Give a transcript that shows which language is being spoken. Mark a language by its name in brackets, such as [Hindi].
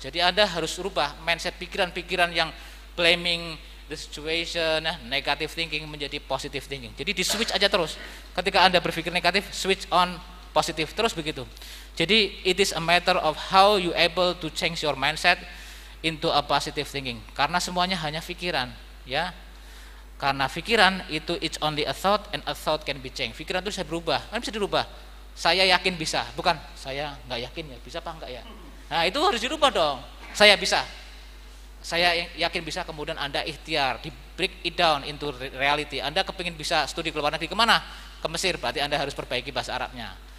[Indonesian] Jadi Anda harus rubah mindset, pikiran-pikiran yang [English] blaming the situation, negative thinking [Indonesian] menjadi [English] positive thinking. [Indonesian] Jadi di switch aja terus. Ketika Anda berpikir negatif, [English] switch on positive, [Indonesian] terus begitu. [English] Jadi it is a matter of how you able to change your mindset into a positive thinking. [Indonesian] Karena semuanya hanya pikiran, ya. Karena pikiran itu [English] it's only a thought and a thought can be changed. [Indonesian] Pikiran itu bisa berubah. Kan bisa dirubah. Saya yakin bisa, bukan saya enggak yakin ya, bisa apa enggak ya. Nah, itu harus dirubah dong. Saya bisa. Saya yakin bisa, kemudian Anda ikhtiar, di [English] break it down into reality. [Indonesian] Anda kepingin bisa studi ke luar negeri, kemana? Ke Mesir, berarti Anda harus perbaiki bahasa Arabnya.